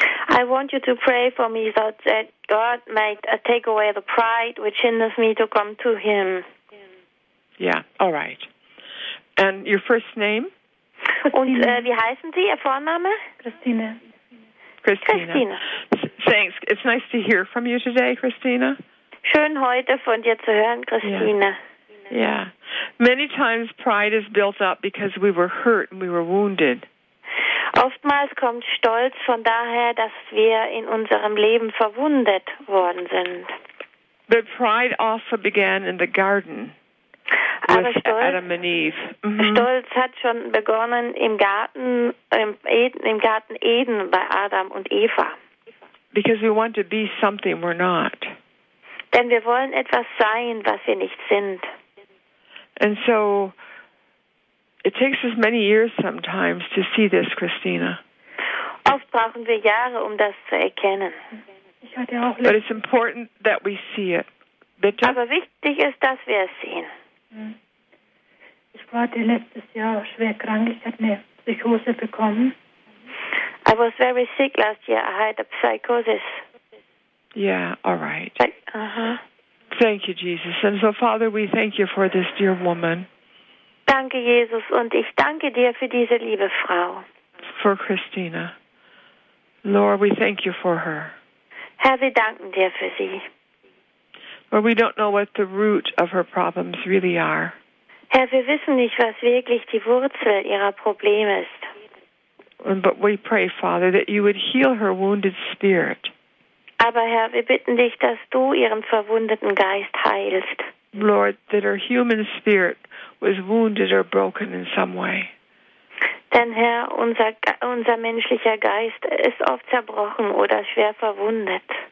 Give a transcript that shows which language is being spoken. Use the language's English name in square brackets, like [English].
[English] I want you to pray for me so that God might take away the pride which hinders me to come to him. Yeah, all right. And your first name? [German] Und wie heißen Sie, Ihr Vorname? Christine. [English] Christina. Thanks. It's nice to hear from you today, Christina. [German] Schön, heute von dir zu hören, Christina. [English] Yeah. Many times pride is built up because we were hurt and we were wounded. [German] Oftmals kommt Stolz von daher, dass wir in unserem Leben verwundet worden sind. [English] But pride also began in the garden. [German] Aber Stolz, [English] Adam and Eve. Mm-hmm. [German] Stolz hat schon begonnen im Garten Eden bei Adam und Eva. [English] Because we want to be something we're not. [German] Denn wir wollen etwas sein, was wir nicht sind. [English] And so it takes us many years sometimes to see this, Christina. [German] Oft brauchen wir Jahre, um das zu erkennen. Ich hatte auch [English] But it's important that we see it. [German] Bitte? Aber wichtig ist, dass wir es sehen. Ich war letztes Jahr schwer krank. Ich hatte eine Psychose bekommen. [English] I was very sick last year. I had a psychosis. Yeah, all right. Uh-huh. Thank you, Jesus. And so, Father, we thank you for this dear woman. [German] Danke, Jesus. Und ich danke dir für diese liebe Frau. [English] For Christina. Lord, we thank you for her. [German] Herr, wir danken dir für sie. [English] Or we don't know what the root of her problems really are. [German] Herr, wir wissen nicht, was wirklich die Wurzel ihrer Probleme ist. [English] But we pray, Father, that you would heal her wounded spirit. [German] Aber Herr, wir bitten dich, dass du ihren verwundeten Geist heilst. [English] Lord, that her human spirit was wounded or broken in some way. [German] Denn Herr, unser menschlicher Geist ist oft zerbrochen oder schwer verwundet.